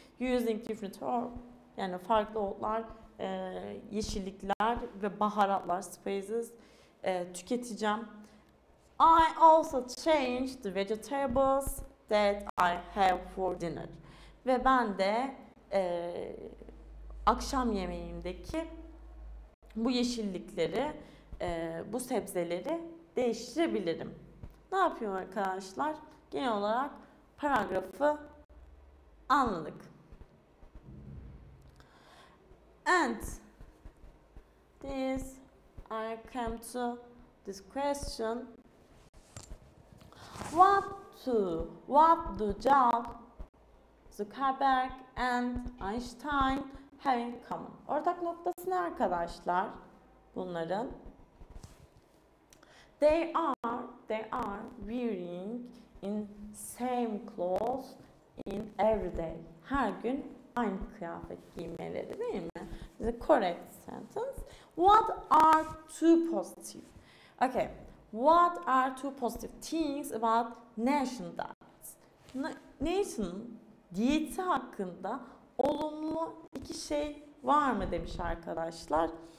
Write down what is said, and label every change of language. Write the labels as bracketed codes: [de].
[en] Using different herb, [tr] yani farklı otlar, yeşillikler ve baharatlar, spices tüketeceğim. [en] I also changed the vegetables that I have for dinner. [tr] Ve ben de akşam yemeğimdeki bu yeşillikleri, bu sebzeleri değiştirebilirim. Ne yapıyor arkadaşlar? Genel olarak paragrafı anladık. [en] And this, I come to this question. What do Jobs, Zuckerberg and Einstein have in common? [tr] Ortak noktası ne arkadaşlar bunların? [en] They are wearing in same clothes in every day. [tr] Her gün aynı kıyafet giymeleri, değil mi? [en] The correct sentence. What are two positive? Okay. What are two positive things about nation diets? [tr] Nation diyeti hakkında olumlu iki şey var mı demiş arkadaşlar.